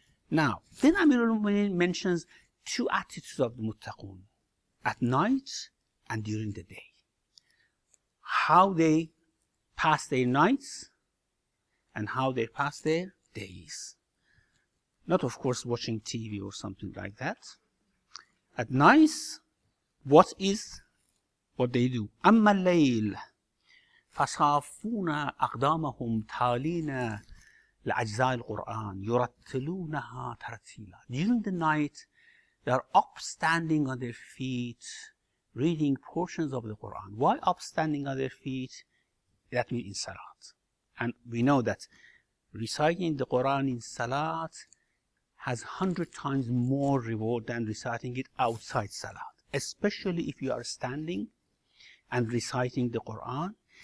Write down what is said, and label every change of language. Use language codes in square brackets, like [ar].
[en] Now, then Amir al-Mu'minin mentions two attitudes of the muttaqun, at night and during the day. How they pass their nights and how they pass their days. Not, of course, watching TV or something like that. At night, what is what they do? [ar] أما الليل فصافون أقدامهم تالين لأجزاء القرآن يرتلونها ترتيلا. [en] During the night, they are upstanding on their feet, reading portions of the Quran. Why upstanding on their feet? That means in Salat. And we know that reciting the Quran in Salat has 100 times more reward than reciting it outside Salat, especially if you are standing and reciting the Quran.